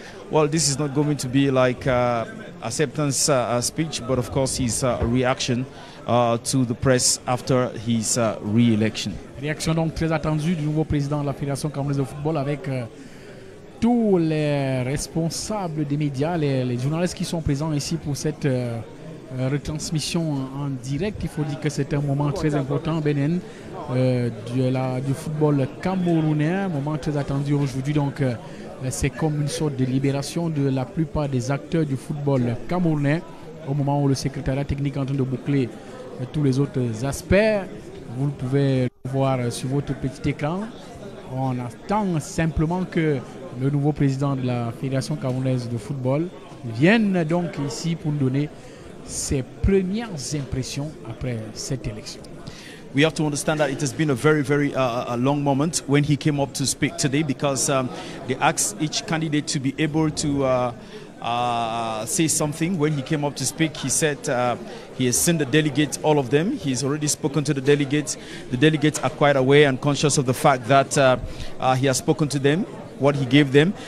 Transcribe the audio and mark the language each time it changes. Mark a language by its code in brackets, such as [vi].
[en] Well, this is not going to be like acceptance speech, but of course his reaction to the press after his re-election. [fr] Réaction donc très attendue du nouveau président de la Fédération Camerounaise de football avec tous les responsables des médias, les journalistes qui sont présents ici pour cette retransmission en direct. Il faut dire que c'est un moment très important, Benin. Du football camerounais, un moment très attendu aujourd'hui. Donc c'est comme une sorte de libération de la plupart des acteurs du football camerounais au moment où le secrétariat technique est en train de boucler tous les autres aspects. Vous le pouvez voir sur votre petit écran. On attend simplement que le nouveau président de la Fédération camerounaise de football vienne donc ici pour nous donner ses premières impressions après cette élection. [en] We have to understand that it has been a very, very a long moment when he came up to speak today, because they asked each candidate to be able to say something. When he came up to speak, he said he has seen the delegates, all of them. He's already spoken to the delegates. The delegates are quite aware and conscious of the fact that he has spoken to them, what he gave them.